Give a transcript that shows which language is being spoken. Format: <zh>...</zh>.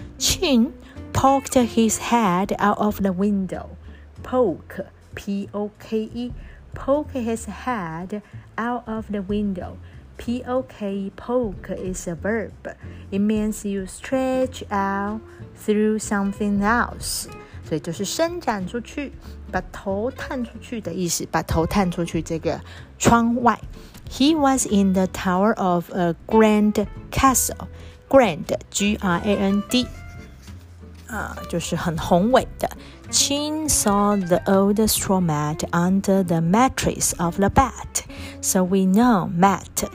<en>Chin poked his head out of the window. Poke, P-O-K-E, poke his head out of the window. P-O-K-E, poke is a verb. It means you stretch out through something else.</en> <zh>所以就是伸展出去，把头探出去的意思，把头探出去这个窗外。</zh> <en>He was in the tower of a grand castle. Grand, G-R-A-N-D.</en> <zh>就是很宏伟的。</zh> <en>Chin saw the old straw mat under the mattress of the bed. So we know mat</en>